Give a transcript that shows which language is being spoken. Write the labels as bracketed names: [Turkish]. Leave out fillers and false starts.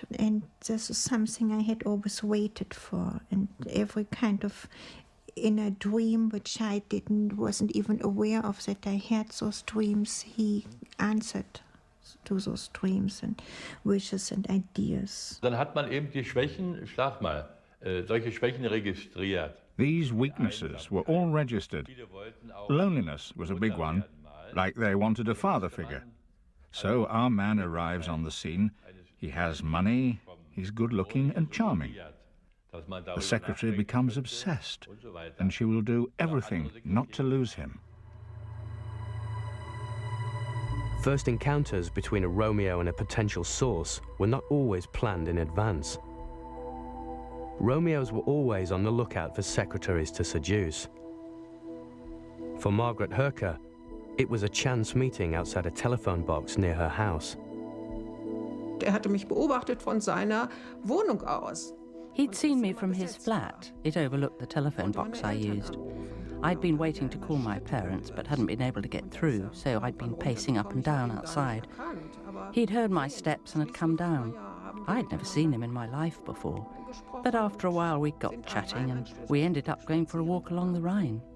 [English] And this is something I had always waited for. And every kind of inner dream, which I wasn't even aware of, that I had those dreams, he answered to those dreams and wishes and ideas. [German] Dann hat man eben die Schwächen, schlag mal, solche Schwächen registriert. [English] These weaknesses were all registered. Loneliness was a big one, like they wanted a father figure. So our man arrives on the scene. He has money, he's good-looking and charming. The secretary becomes obsessed, and she will do everything not to lose him. First encounters between a Romeo and a potential source were not always planned in advance. Romeos were always on the lookout for secretaries to seduce. For Margaret Herker, it was a chance meeting outside a telephone box near her house. [German] Er hatte mich beobachtet von seiner Wohnung aus. [English] He'd seen me from his flat. It overlooked the telephone box I used. I'd been waiting to call my parents, but hadn't been able to get through, so I'd been pacing up and down outside. He'd heard my steps and had come down. I'd never seen him in my life before. But after a while, we got chatting, and we ended up going for a walk along the Rhine.